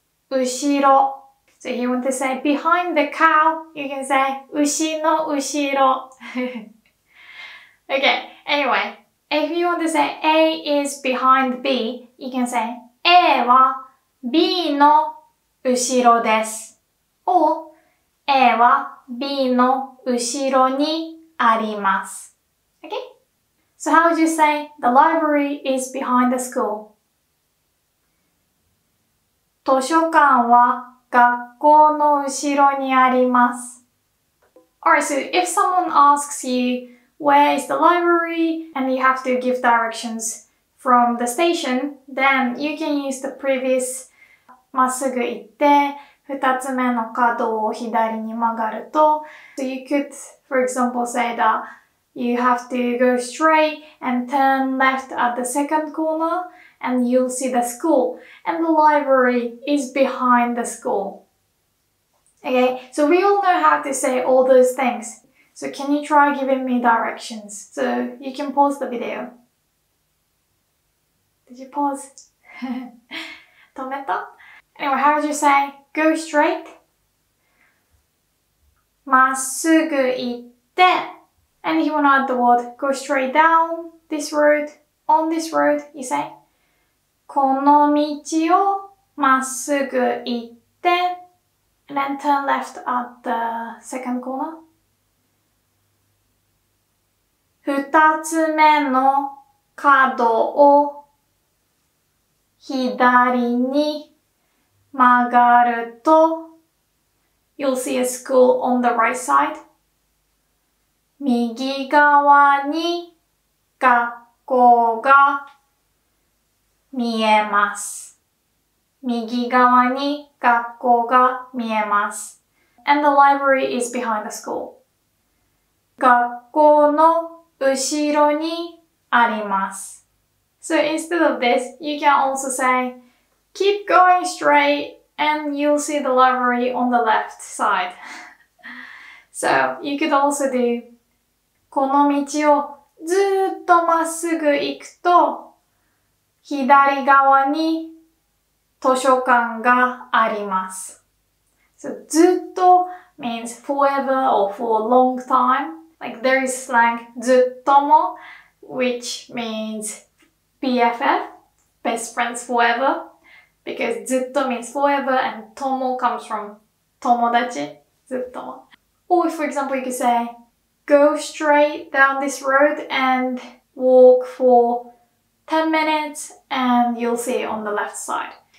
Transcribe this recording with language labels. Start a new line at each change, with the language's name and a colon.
English: So if you want to say behind the cow, you can say 牛の後ろ Okay, anyway, if you want to say A is behind B, you can say A は B の後ろです。
Japanese: Or A は B の後ろにあります。Okay?
English: So how would you say the library is behind the school?
Japanese: 図書館は学校の後ろにあります。
English: Alright, so if someone asks you where is the library and you have to give directions from the station, then you can use the previous
Japanese: まっすぐ行って、二つ目の角を左に曲がると、
English: So you could, for example, say that you have to go straight and turn left at the second corner and you'll see the school and the library is behind the school. Okay, so we all know how to say all those things. So can you try giving me directions? So you can pause the video. Did you pause? 止めた? Anyway, how would you say, go straight?
Japanese: まっすぐ行って
English: And if you want to add the word, go straight down this road, on this road, you say,
Japanese: この道をまっすぐ行って
English: And then turn left at the second corner.
Japanese: 二つ目の角を左に曲がると
English: You'll see a school on the right side.
Japanese: 右側に学校が見えます。右側に学校が見えます。
English: And the library is behind the school.
Japanese: 学校の後ろにあります。
English: So instead of this, you can also say,Keep going straight and you'll see the library on the left side. So, you could also do
Japanese: この道をずっとまっすぐ行くと左側に図書館があります。
English: So, ずっと means forever or for a long time. Like there is slang ずっとも which means BFF, best friends forever. Because ずっと means forever and 友 comes from 友達ずっと Or if, for example, you could say go straight down this road and walk for 10 minutes and you'll see it on the left side.